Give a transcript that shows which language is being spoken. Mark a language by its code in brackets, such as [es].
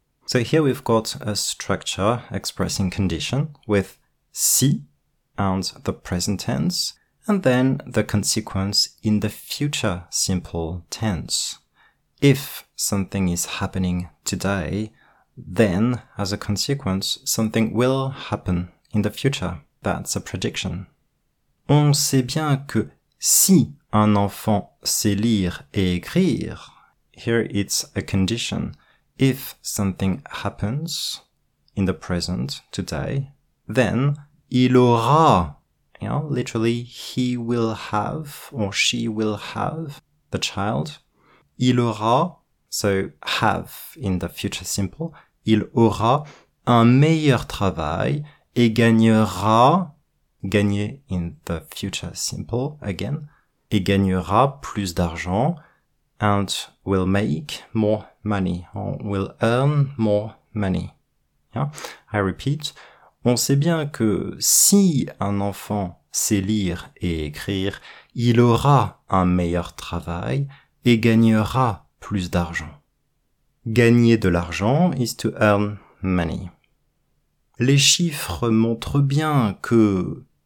[en] So here we've got a structure expressing condition with si and the present tense, and then the consequence in the future simple tense. If something is happening today, then as a consequence, something will happen in the future. That's a prediction. [fr] On sait bien que si un enfant sait lire et écrire, [en] here it's a condition. If something happens in the present, today, then [fr] il aura, [en] you know, literally he will have or she will have the child. [fr] Il aura, [en] so have in the future simple, [fr] il aura un meilleur travail et gagnera, [en] gagner in the future simple again, [fr] et gagnera plus d'argent, [en] and will make more money, or will earn more money. Yeah? I repeat, [fr] on sait bien que si un enfant sait lire et écrire, il aura un meilleur travail et gagnera plus d'argent. Gagner de l'argent [en] is to earn money. [fr] Les chiffres montrent bien que...